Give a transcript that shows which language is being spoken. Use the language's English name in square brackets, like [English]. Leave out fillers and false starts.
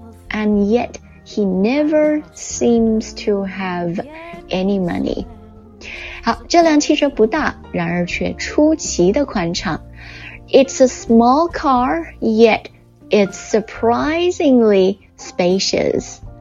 [English] And yet, he never seems to have any money. [Chinese] 好，这辆汽车不大，然而却出奇的宽敞。 [English] It's a small car, yet it's surprisingly spacious.